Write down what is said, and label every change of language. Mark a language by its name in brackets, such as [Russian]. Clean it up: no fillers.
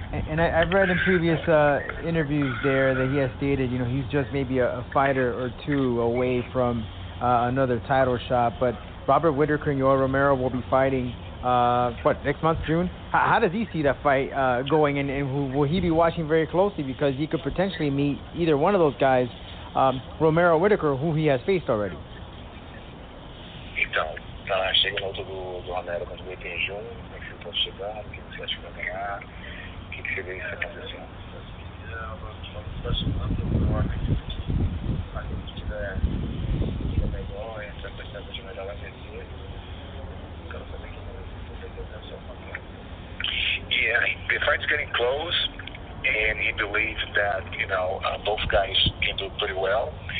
[English] And I've read in previous interviews there that he has stated, you know, he's just maybe a fighter or two away from another title shot, but Robert Whittaker and Yoel Romero will be fighting next month, June? How does he see that fight going, and will he be watching very closely, because he could potentially meet either one of those guys, Romero Whittaker, who he has faced already? [Portuguese] Então, tá chegando outro do Romero contra o Whittaker em junho. Como é que você pode chegar? O que você acha que vai ganhar? O que você vê isso acontecendo? [English] Yeah, the fight's getting close, and he believes that, you know, both guys can do pretty well.